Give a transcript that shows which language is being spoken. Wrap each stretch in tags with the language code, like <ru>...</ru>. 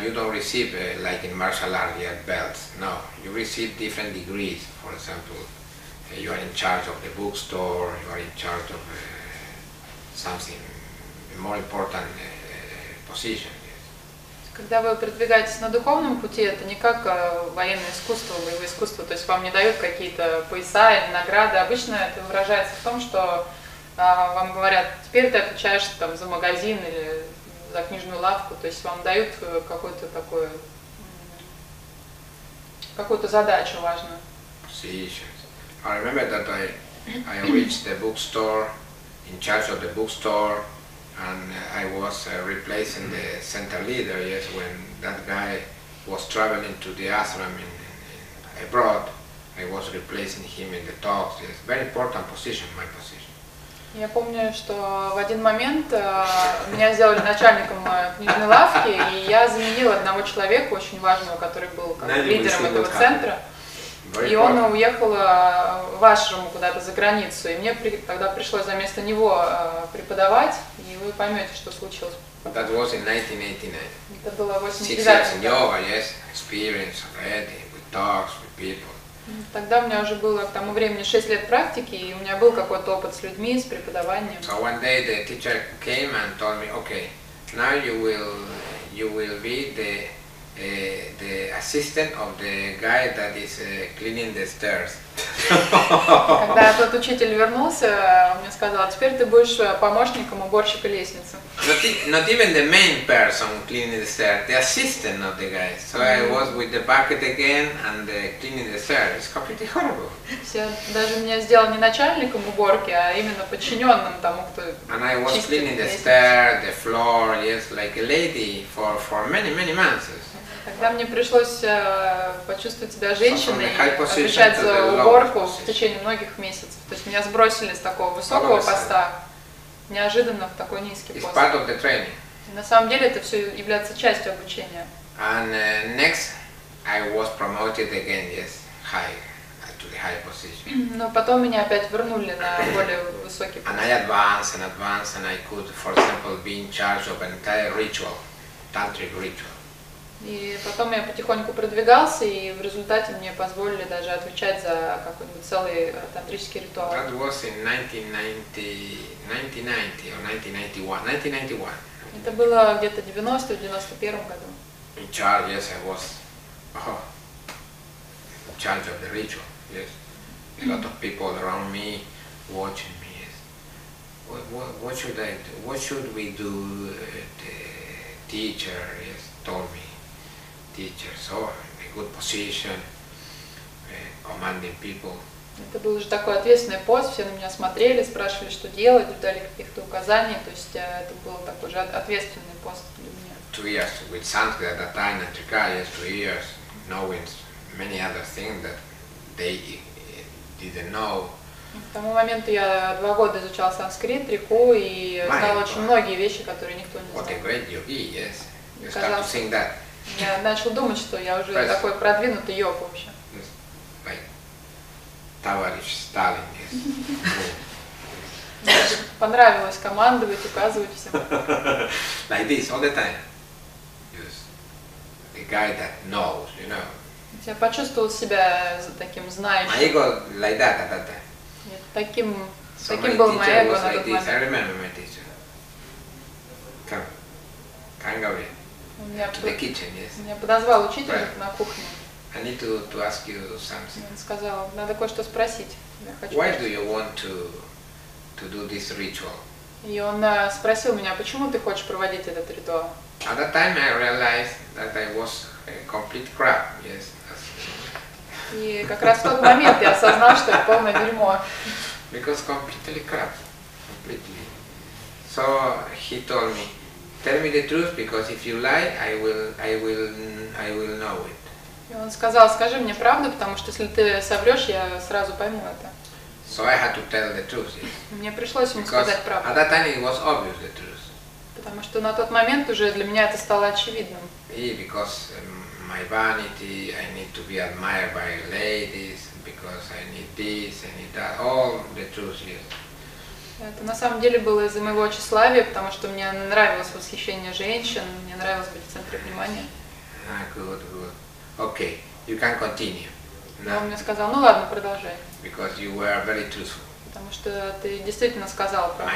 <en>You don't receive like in martial arts, you have belts. No, you receive different degrees. For example. You are in charge of the bookstore, you are in charge of something more important position. Yes.</en> <ru>Когда вы продвигаетесь на духовном пути, это не как военное искусство, боевое искусство, то есть вам не дают какие-то пояса или награды. Обычно это выражается в том, что вам говорят, теперь ты отвечаешь там, за магазин или за книжную лавку, то есть вам дают какую-то задачу важную. Position.</ru> <en>I remember that I reached the bookstore, in charge of the bookstore, and I was replacing the center leader. Yes, when that guy was traveling to the ashram in abroad, I was replacing him in the talks. Yes, very important position, my position.</en> <ru>Я помню, что в один момент меня сделали начальником книжной лавки, и я заменил одного человека очень важного, который был лидером этого центра. И он уехал в ашраму куда-то за границу, и мне тогда пришлось за место него преподавать, и вы поймете, что случилось.</ru> <en>That was in 1989.</en> <ru>Это было 1989.</ru> <en>6 years in yoga, yes, experience already, with talks, with people.</en> <ru>Тогда у меня уже было к тому времени 6 лет практики, и у меня был какой-то опыт с людьми, с преподаванием.</ru> <en>So one day the teacher came and told me, okay, now you will be the assistant of the guy that is cleaning the stairs.</en> <ru>Когда тот учитель вернулся, он мне сказал, теперь ты будешь помощником уборщика лестницы.</ru> <en>Not even the main person cleaning the stairs, the assistant of the guy. So I was with the bucket again and cleaning the stairs. It's completely horrible.</en> <ru>Все, даже меня сделал не начальником уборки, а именно подчиненным тому, кто чистит лестницу.</ru> <en>And I was cleaning the stairs, the floor, yes, like a lady for many months.</en> <ru>Тогда мне пришлось почувствовать себя женщиной и отвечать за уборку в течение многих месяцев. То есть меня сбросили с такого высокого поста неожиданно в такой низкий пост.</ru> <en>It's part of the training.</en> <ru>На самом деле это все является частью обучения.</ru> <en>And next I was promoted again, yes, higher, to the higher position.</en> <ru>Но потом меня опять вернули на более высокий пост.</ru> <en>And I advanced and advanced and I could, for example, be in charge of an entire ritual, tantric ritual.</en> <ru>И потом я потихоньку продвигался, и в результате мне позволили даже отвечать за какой-нибудь целый тантрический ритуал.</ru> <en>That was in 1991.</en> <ru>Это было где-то 90-91 году.</ru> <en>In charge, yes, I was. Oh, in charge of the ritual, yes. A lot of people around me watching me. Yes. what should I do? What should we do? The teacher yes, told me, teacher, so in a good position, commanding people.</en> <ru>Это был уже такой ответственный пост, все на меня смотрели, спрашивали, что делать, дали каких-то указаний, то есть это был такой же ответственный пост для меня.</ru> <en>2 years with Sanskrit at that time, and Trika, yes, 2 years, knowing many other things that they didn't know.</en> <ru>К тому моменту я 2 года изучал санскрит, трику, и знал очень многие вещи, которые никто не знал.</ru> <en>What a great yogi, yes. You start to think that.</en> <ru>Я начал думать, что я уже такой продвинутый йог вообще. Товарищ Сталин, yes. Понравилось командовать, указывать всем.</ru> <en>Like this, all the time. Just the guy that knows, you know.</en> <ru>Я почувствовал себя таким знающим.</ru> <en>My ego like that at that time.</en> <ru>Таким был мой эго на тот момент.</ru> <en>I remember my teacher. Come. Come, Gabriel. To the kitchen, yes.</en> <ru>Меня подозвал учитель на кухню.</ru> <en>I need to ask you something.</en> <ru>Он сказал, надо кое-что спросить.</ru> <en>Why do you want to do this ritual?</en> <ru>И он спросил меня, почему ты хочешь проводить этот ритуал?</ru> <en>At that time I realized that I was a complete crap, yes.</en> <ru>И как раз в тот момент я осознал, что это полное дерьмо.</ru> <en>Because completely crap, completely. So he told me, tell me the truth, because if you lie, I will know it.</en> <ru>И он сказал, скажи мне правду, потому что если ты соврёшь, я сразу пойму это.</ru> <en>So I had to tell the truth, yes.</en> <ru>Мне пришлось ему</ru> <en>because</en> <ru>сказать правду.</ru> <en>At that time it was obvious, the truth.</en> <ru>Потому что на тот момент уже для меня это стало очевидным. И</ru> <en>because my vanity, I need to be admired by ladies, because I need this, I need that, all the truth, yes.</en> <ru>Это на самом деле было из-за моего тщеславия, потому что мне нравилось восхищение женщин, мне нравилось быть в центре внимания.</ru> <en>Good. Okay, you can continue. Now.</en> <ru>Он мне сказал, ну ладно, продолжай.</ru> <en>Because you were very truthful.</en> <ru>Потому что ты действительно сказал правду.</ru>